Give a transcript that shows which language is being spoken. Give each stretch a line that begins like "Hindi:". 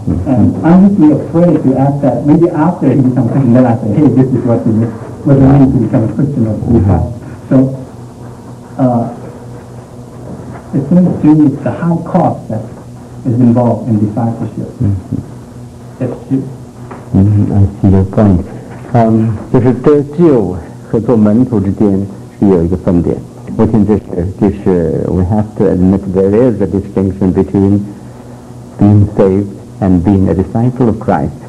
English: And I'm just really afraid to ask that. Maybe after he becomes Christian, then I say, hey, this is what it means to become a Christian or disciple. So it seems to me it's the high cost that is involved in discipleship. I see your point.
Chinese: 就是得救和做门徒之间是有一个分别。我听这是，就是
English: we have to admit there is a distinction between being saved and being a disciple of Christ。